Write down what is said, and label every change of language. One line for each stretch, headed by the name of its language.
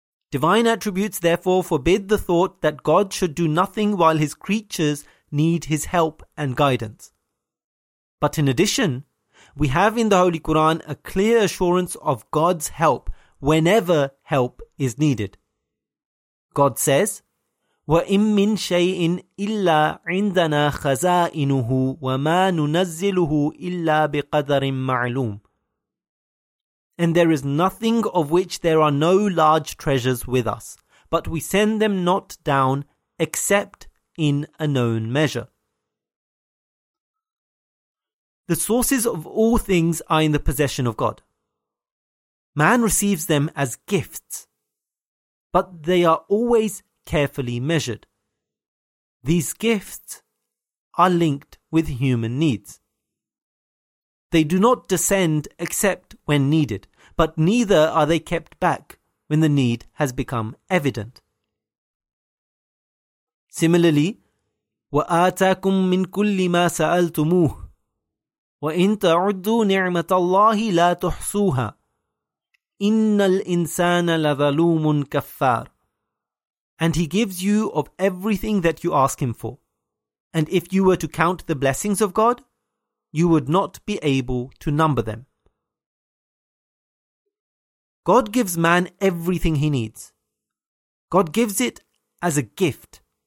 English: Divine attributes therefore forbid the thought that God should do nothing while his creatures need his help and guidance. But in addition, we have in the Holy Quran a clear assurance of God's help whenever help is needed. God says,
Arabic: وَإِمْ مِنْ شَيْءٍ إِلَّا عِنْدَنَا خَزَائِنُهُ وَمَا نُنَزِّلُهُ إِلَّا بِقَدَرٍ مَعْلُومٍ.
English: And there is nothing of which there are no large treasures with us, but we send them not down except in a known measure. The sources of all things are in the possession of God. Man receives them as gifts, but they are always carefully measured. These gifts are linked with human needs. They do not descend except when needed, but neither are they kept back when the need has become evident.
Arabic: Similarly, وَآتَاكُم مِّن كُلِّ مَا سَأَلْتُمُوهُ وَإِن تَعُدُّوا نِعْمَةَ اللَّهِ لَا تُحْصُوهَا إِنَّ الْإِنسَانَ لَظَلُومٌ كَفَّارٌ.
English: And he gives you of everything that you ask him for. And if you were to count the blessings of God, you would not be able to number them. God gives man everything he needs. God gives it as a gift.